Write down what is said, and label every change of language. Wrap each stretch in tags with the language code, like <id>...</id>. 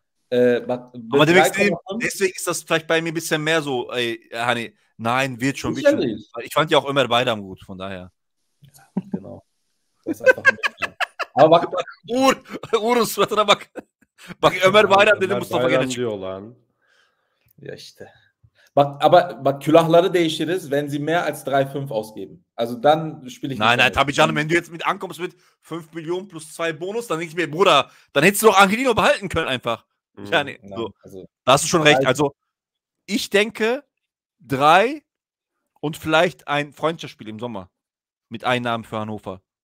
<de>Aber deswegen ist das vielleicht bei mir ein bisschen mehr so, ey, Hani, nein, wird schon. Wird schon. Ich fand ja auch Ömer Baydam gut, von daher. Genau.</de> <tr>Aber bak, Uğur'un suratına bak. Bak, Ömer Baydam dedi, Mustafa gene çıkıyor lan. Ya işte.</tr> <de>Bak, aber bak,</de> <tr>külahları değiştiririz,</tr> <de>wenn sie mehr als 3,5 ausgeben. Also dann spiele ich. Nein,</de> <tr>tabii canım,</tr> <de>wenn du jetzt mit ankommst mit 5 Millionen plus 2 Bonus, dann denke ich mir, Bruder, dann hättest du doch Angelino behalten können einfach. Mhm. Ja, nee, nein, so. Also, da hast du schon recht. Also, ich denke, 3 und vielleicht ein Freundschaftsspiel im Sommer mit Einnahmen für Hannover.</de>